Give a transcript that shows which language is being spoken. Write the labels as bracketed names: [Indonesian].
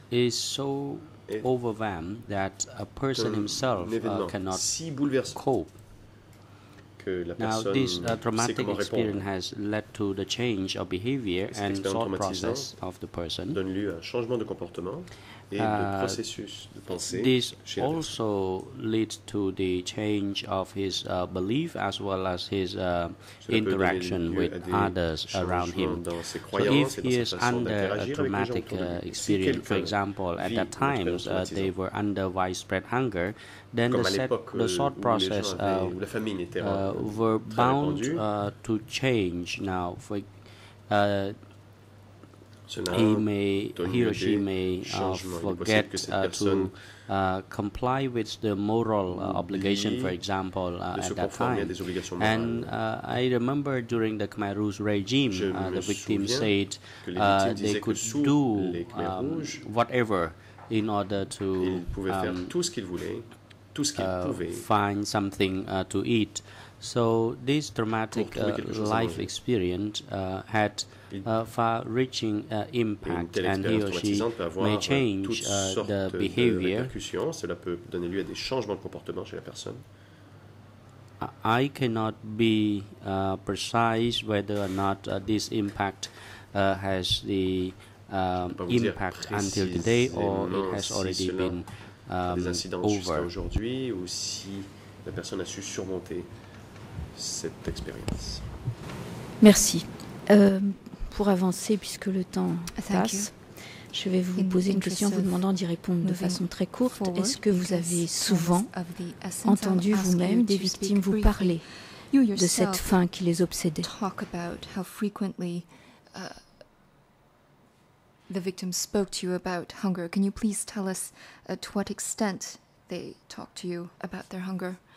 [English] is so overwhelmed that a person himself cannot [French] si [English] cope. Now, this traumatic experience has led to the change of behavior and thought process of the person. [French] Donne lieu à un changement de comportement et de processus de pensée. [English] This also leads to the change of his belief as well as his interaction with others around him. So if he is under a traumatic experience, for example, at that time they were under widespread hunger, then the thought process were bound to change. Now, for he or she may forget to comply with the moral obligation, for example, at that time. And I remember during the Khmer Rouge regime, the victims said they could do whatever in order to find something to eat. So this traumatic life experience had a far-reaching impact, and he or she may change the behavior. [French] Cela peut donner lieu à des changements de comportement chez la personne. [English] I cannot be precise whether or not this impact has the impact until today, or it has already been over. [French] Aujourd'hui, ou si la personne a su surmonter cette expérience. Merci. Pour avancer, puisque le temps passe, je vais vous poser une question en vous demandant d'y répondre de façon très courte. Est-ce que vous avez souvent entendu vous-même des victimes vous parler de cette faim qui les obsédait? [English] Talk about how frequently the victims spoke to you about hunger. Can you please tell us to what extent they talked to you about their hunger?